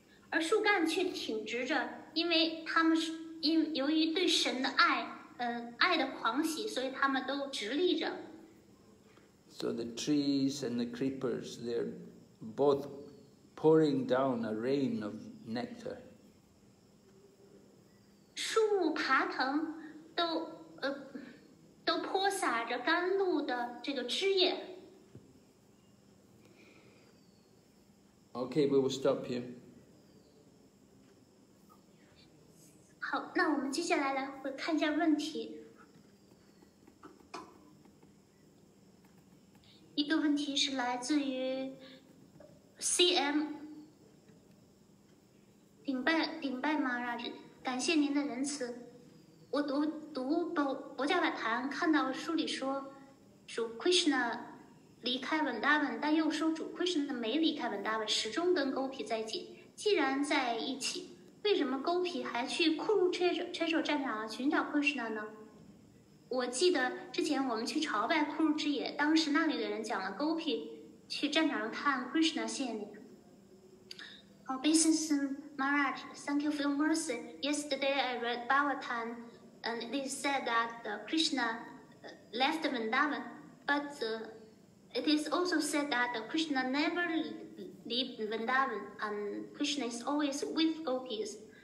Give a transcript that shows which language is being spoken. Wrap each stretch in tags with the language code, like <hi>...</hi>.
<zh>而树干却挺直着，因为他们是由于对神的爱，爱的狂喜，所以他们都直立着。</zh> <en>So the trees and the creepers, they're both. Pouring down a rain of nectar.</en> <zh>树木爬藤都泼洒着甘露的这个汁液。</zh> <en>Okay, we will stop here.</en> <zh>好，那我们接下来会看一下问题。个问题是来自于 CM 顶拜玛拉吉，感谢您的仁慈。我读博迦瓦坛看到书里说主 Krishna 离开文达文，但又说主 Krishna 没离开文达文，始终跟勾皮在一起。既然在一起，为什么勾皮还去库鲁切切手战场寻找 Krishna 呢？我记得之前我们去朝拜库鲁之野，当时那里的人讲了勾皮去战场看 Krishna 现脸。</zh> <en>Oh, Basis Maharaj, thank you for your mercy. Yesterday I read Bhagavatam, and they said that Krishna left Vrindavan, but it is also said that Krishna never leave Vrindavan, and Krishna is always with gopis.</en>